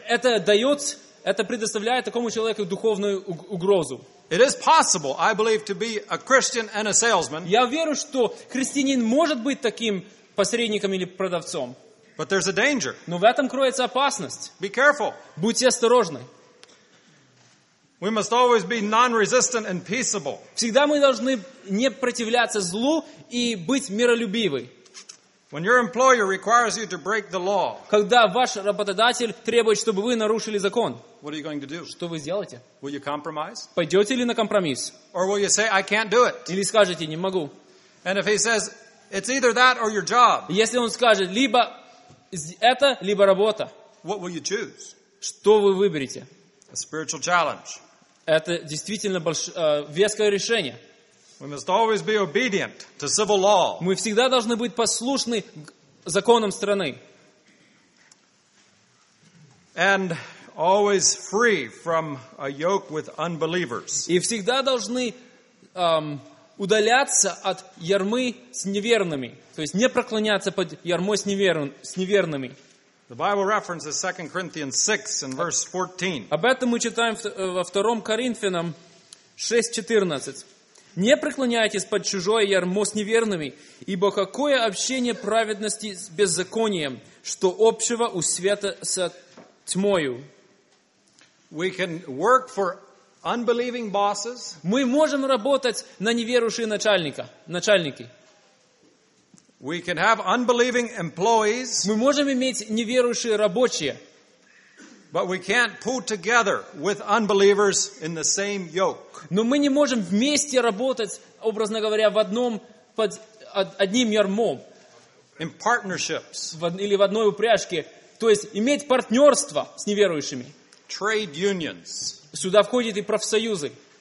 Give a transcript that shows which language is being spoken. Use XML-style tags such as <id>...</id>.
<ru>Это предоставляет такому человеку духовную угрозу.</ru> <en>It is possible, I believe, to be a Christian and a salesman.</en> <ru>Я верю, что христианин может быть таким посредником или продавцом.</ru> <en>But there's a danger.</en> <ru>Но в этом кроется опасность.</ru> <en>Be careful.</en> <ru>Будьте осторожны.</ru> <en>We must always be non-resistant and peaceable.</en> <ru>Всегда мы должны не противляться злу и быть миролюбивы.</ru> <en>When your employer requires you to break the law.</en> <ru>Когда ваш работодатель требует, чтобы вы нарушили закон.</ru> <en>What are you going to do?</en> <ru>Что вы сделаете?</ru> <en>Will you compromise?</en> <ru>Пойдете ли на компромисс?</ru> <en>Or will you say, I can't do it?</en> <ru>Или скажете, не могу.</ru> <en>And if he says, it's either that or your job.</en> <ru>Если он скажет, либо это, либо работа.</ru> <en>What will you choose?</en> <ru>Что вы выберете?</ru> <en>A spiritual challenge.</en> <ru>Это действительно веское решение.</ru> <en>We must always be obedient to civil law.</en> <ru>Мы всегда должны быть послушны законам страны.</ru> <en>And always free from a yoke with unbelievers.</en> <ru>И всегда должны удаляться от ярмы с неверными, то есть не преклоняться под ярмой с неверными.</ru> <en>The Bible references 2 Corinthians 6 and verse 14.</en> <ru>Об этом мы читаем во 2 Коринфянам 6:14. Не преклоняйтесь под чужое ярмо с неверными, ибо какое общение праведности с беззаконием, что общего у света с тьмою?</ru> <en>We can work for unbelieving bosses.</en> <ru>Мы можем работать на неверующие начальники.</ru> <en>We can have unbelieving employees.</en> <ru>Мы можем иметь неверующие рабочие.</ru> <en>But we can't pull together with unbelievers in the same yoke.</en> <ru>Но мы не можем вместе работать, образно говоря, в одном под одним ярмом.</ru> <en>In partnerships.</en> <ru>Или в одной упряжке, то есть иметь партнерство с неверующими.</ru> <en>Trade unions.</en> <ru>Сюда входят и профсоюзы.</ru>